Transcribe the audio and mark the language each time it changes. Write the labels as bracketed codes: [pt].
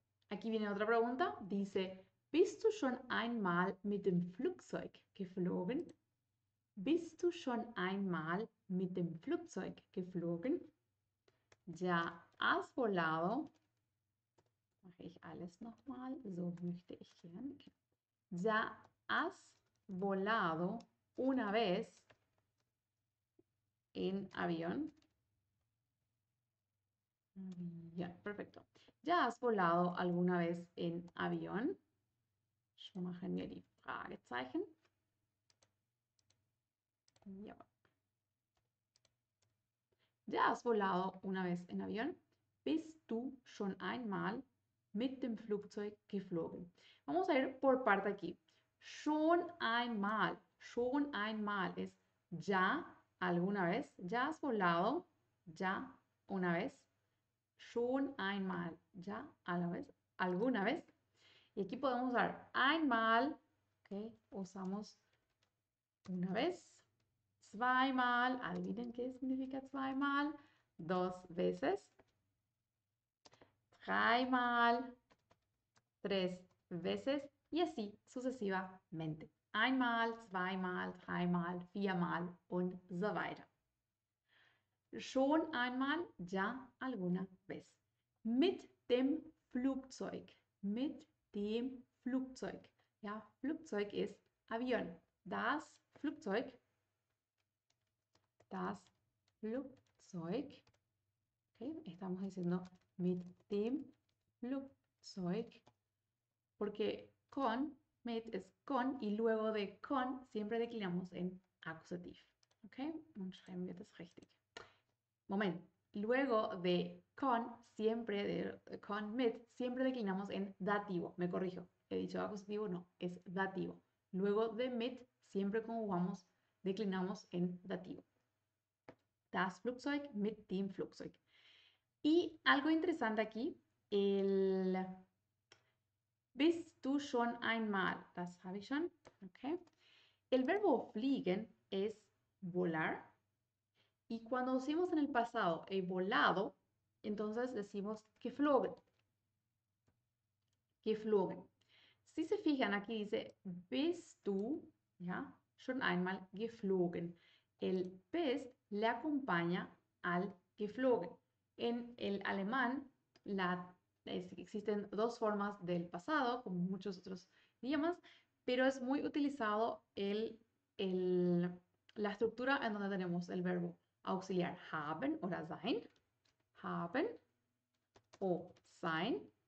[es] Aquí viene otra pregunta, dice, [de] ¿Bist du schon einmal mit dem Flugzeug geflogen? ¿Bist du schon einmal mit dem Flugzeug geflogen? [es] ¿Ya has volado? [de] Mache ich alles nochmal, so möchte ich gern. [es] Ya has volado una vez en avión. Ya, perfecto. ¿Ya has volado alguna vez en avión? [de] Schon machen wir die Fragezeichen. [es] Ya. ¿Ya has volado una vez en avión? [de] ¿Bist du schon einmal mit dem Flugzeug geflogen? [es] Vamos a ir por parte aquí. Schon einmal es ya alguna vez. Ya has volado, ya una vez. Schon einmal, ya a la vez, alguna vez. Y aquí podemos usar einmal, ok, usamos una vez. Zweimal, adivinen qué significa zweimal. Dos veces. Dreimal, tres veces y así sucesivamente. [de] Einmal, zweimal, dreimal, viermal und so weiter. Schon einmal, [es] ya alguna vez. [de] Mit dem Flugzeug. Mit dem Flugzeug. Ja, Flugzeug ist Avion. Das Flugzeug. Das Flugzeug. [es] Okay, estamos diciendo [de] mit dem Flugzeug, [es] porque con, mit es con y luego de con siempre declinamos en acusativo. ¿Ok? [de] Und schreiben wir das richtig. Moment. [es] Luego de con, siempre de con, mit, siempre declinamos en dativo. Me corrijo. He dicho acusativo, no, es dativo. Luego de mit, siempre conjugamos, declinamos en dativo. [de] Das Flugzeug, mit dem Flugzeug. [es] Y algo interesante aquí. [de] El bist du schon einmal, das habe ich schon, okay. [es] El verbo fliegen es volar y cuando decimos en el pasado he volado, entonces decimos geflogen, geflogen. Si se fijan aquí dice bist du, ¿ya? [de] Schon einmal geflogen. [es] El bist le acompaña al geflogen. En el alemán, existen dos formas del pasado, como muchos otros idiomas, pero es muy utilizado la estructura en donde tenemos el verbo auxiliar haben oder sein, haben o sein.